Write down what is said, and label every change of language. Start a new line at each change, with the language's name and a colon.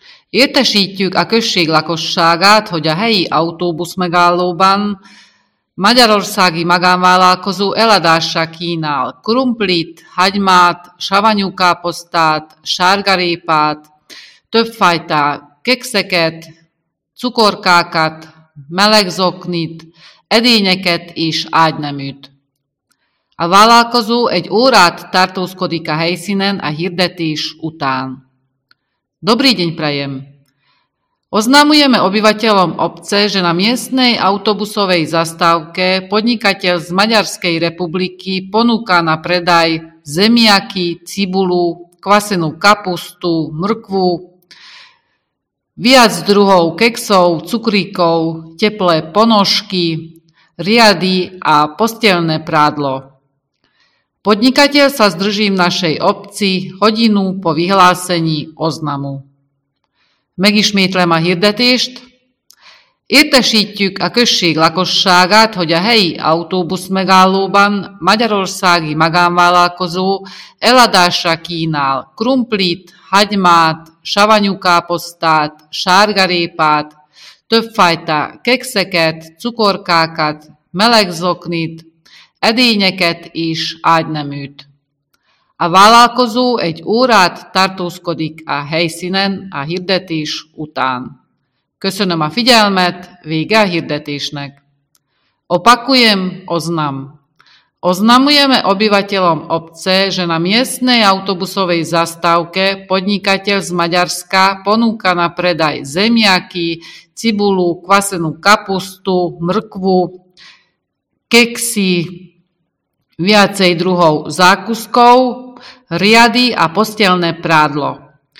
Hungarian: Értesítjük a község lakosságát, hogy a helyi autóbusz megállóban magyarországi magánvállalkozó eladásra kínál krumplit, hagymát, savanyú káposztát, sárgarépát, többfajta kekszeket, cukorkákat, melegzoknit, edényeket és ágyneműt. A vállalkozó egy órát tartózkodik a helyszínen a hirdetés után.
Slovak: Dobrý deň, prajem. Oznamujeme obyvateľom obce, že na miestnej autobusovej zastávke podnikateľ z Maďarskej republiky ponúka na predaj zemiaky, cibulu, kvasenú kapustu, mrkvu, viac druhov keksov, cukríkov, teplé ponožky, riady a postelné prádlo. Podnikateľ sa zdrží v našej obci hodinu po vyhlásení oznamu.
Hungarian: Megismétlem a hirdetést. Értesítjük a község lakosságát, hogy a helyi autóbusz megállóban magyarországi magánvállalkozó eladásra kínál krumplit, hagymát, savanyú káposztát, sárgarépát, többfajta kekszeket, cukorkákat, melegzoknit, edényeket és ágyneműt. A vállalkozó egy órát tartózkodik a helyszínen a hirdetés után. Köszönöm a figyelmet, vége a hirdetésnek.
Slovak: Opakujem, oznam. Oznamujeme obyvateľom obce, že na miestnej autobusovej zastávke podnikateľ z Maďarska ponúka na predaj zemiaky, cibulu, kvasenú kapustu, mrkvu, keksy, viacej druhov zákuskov, riady a postelné prádlo.